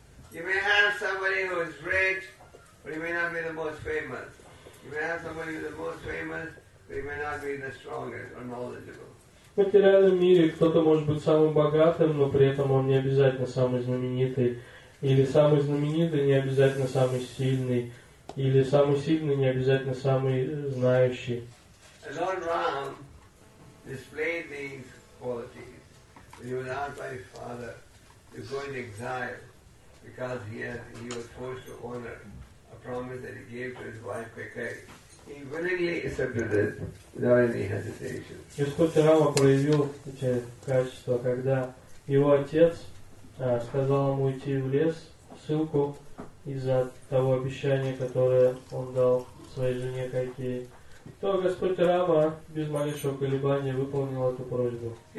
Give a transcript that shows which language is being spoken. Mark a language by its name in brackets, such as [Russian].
[English] You may have somebody who is rich, but he may not be the most famous. You may have somebody who is the most famous, but he may not be the strongest or knowledgeable. [Russian] В материальном мире кто-то может быть самым богатым, но при этом он не обязательно самый знаменитый. Или самый знаменитый не обязательно самый сильный. или самый сильный, не обязательно самый знающий. [English] Lord Ram displayed these qualities when he was asked by his father to go into exile because he was forced to honor a promise that he gave to his wife Kekai. He willingly accepted it without any hesitation. [Russian] Господь Рама проявил эти качества, когда его отец сказал ему уйти в лес, ссылку из-за того обещания, которое он дал своей жене Кайкеи, то Господь Рама без малейшего колебания выполнил эту просьбу.